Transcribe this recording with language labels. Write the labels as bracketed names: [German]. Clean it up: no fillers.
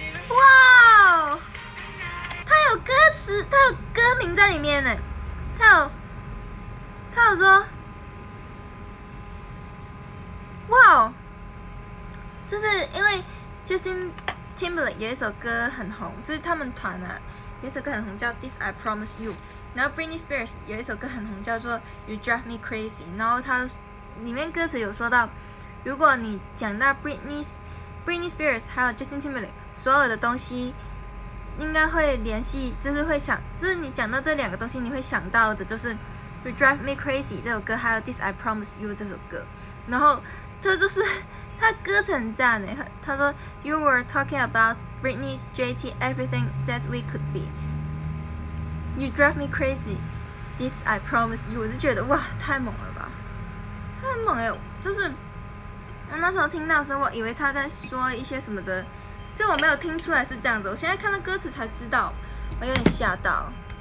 [Chinese] 哇！他有歌词，他有歌名在里面呢。他有说，哇！就是因为 Justin Timberlake 有一首歌很红，就是他们团啊，有一首歌很红叫 This I Promise You。然后 Britney Spears 有一首歌很红叫做 You Drive Me Crazy。然后他里面歌词有说到，如果你讲到 Britney Spears 还有 Justin Timberlake， 所有的东西应该会联系，就是会想，就是你讲到这两个东西，你会想到的就是 You Drive Me Crazy 这首歌，还有 This I Promise You 这首歌。然后他就是他歌词很赞诶，他说 [English] You were talking about Britney, JT, everything that we could be. [Chinese] You drive me crazy, This I Promise You。 我就觉得哇，太猛了吧，太猛了，就是。我那时候听到的时候，我以为他在说一些什么的，就我没有听出来是这样子。我现在看到歌词才知道，我有点吓到。